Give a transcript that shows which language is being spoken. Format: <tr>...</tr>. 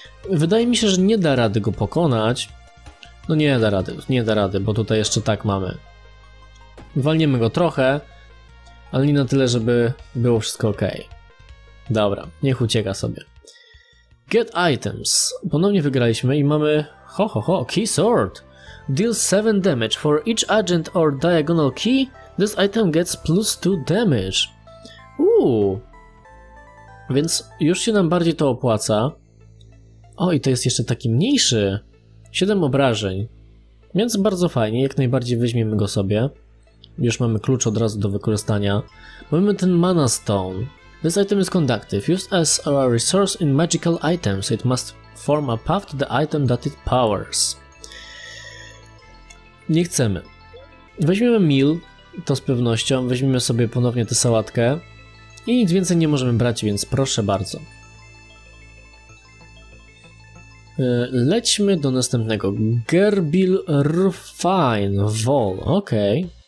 <pl>Wydaje mi się, że nie da rady go pokonać. No nie da rady, bo tutaj jeszcze tak mamy. Walniemy go trochę, ale nie na tyle, żeby było wszystko ok. Dobra, niech ucieka sobie.</pl> <en>Get items.</en> <pl>Ponownie wygraliśmy i mamy...</pl> <en>Ho, ho, ho, key sword. Deals 7 damage for each agent or diagonal key. This item gets plus 2 damage.</en> <pl>Więc już się nam bardziej to opłaca. O, i to jest jeszcze taki mniejszy. 7 obrażeń. Więc bardzo fajnie, jak najbardziej weźmiemy go sobie. Już mamy klucz od razu do wykorzystania. Mamy ten mana stone.</pl> <en>This item is conductive. Used as a resource in magical items. It must form a path to the item that it powers.</en> <pl>Nie chcemy. Weźmiemy meal, to z pewnością. Weźmiemy sobie ponownie tę sałatkę. I nic więcej nie możemy brać, więc proszę bardzo. Lećmy do następnego. Gerbil Rufine Vol. Okej.</pl>